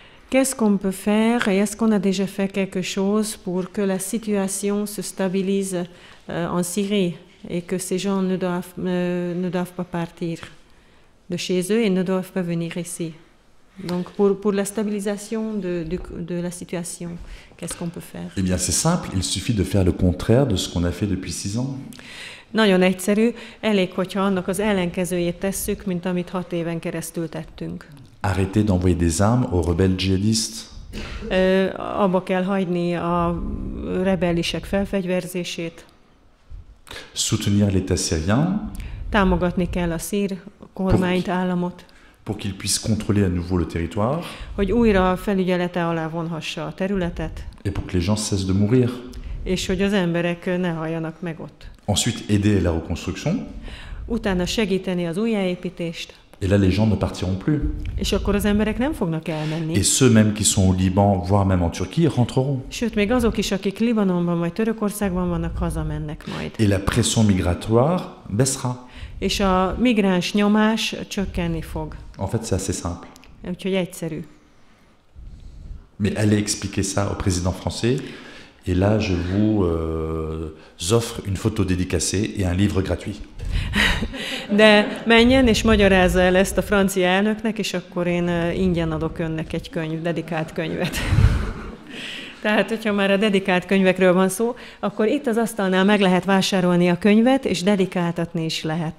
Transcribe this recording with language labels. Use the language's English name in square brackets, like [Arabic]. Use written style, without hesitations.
[French] Qu'est-ce qu'on peut faire et est-ce qu'on a déjà fait quelque chose pour que la situation se stabilise en Syrie et que ces gens ne doivent pas partir de chez eux et ne doivent pas venir ici? Donc pour la stabilisation de la situation, qu'est-ce qu'on peut faire? Eh bien c'est simple, il suffit de faire le contraire de ce qu'on a fait depuis 6 ans. [Hungarian] Nagyon egyszerű, elég, hogyha annak az ellenkezőjét tesszük, mint amit 6 éven keresztül tettünk. [French] Arrêter d'envoyer des armes aux rebelles djihadistes. [Hungarian] Abba kell hagyni a rebellisek felfegyverzését. [French] Soutenir l'État syrien. [Hungarian] Támogatni kell a szír kormányt, államot. [French] Pour qu'il puisse contrôler à nouveau le territoire. [Hungarian] Hogy újra felügyelete alá vonhassa a területet. [French] Et pour que les gens cessent de mourir. [Hungarian] És hogy az emberek ne haljanak meg ott. [French] Ensuite, aider la reconstruction. [Hungarian] Utána segíteni az újjáépítést. [French] Et là, les gens ne partiront plus. [Hungarian] És akkor az emberek nem fognak elmenni. [French] Et ceux même qui sont au Liban, voire même en Turquie, rentreront. [Hungarian] Sőt, még azok is, akik Libanonban vagy Törökországban vannak, hazamennek majd. [French] Et la pression migratoire baissera. [Hungarian] És a migráns nyomás csökkenni fog. [French] En fait, c'est assez simple. [Hungarian] Úgyhogy egyszerű. [French] Mais allez expliquer ça au président français. Et là, je vous offre une photo dédicacée et un livre gratuit. [Hungarian] De menjen és magyarázza el ezt a francia elnöknek, és akkor én ingyen adok önnek egy könyv, dedikált könyvet. Tehát, hogyha már a dedikált könyvekről van szó, akkor itt az asztalnál meg lehet vásárolni a könyvet, és dedikáltatni is lehet.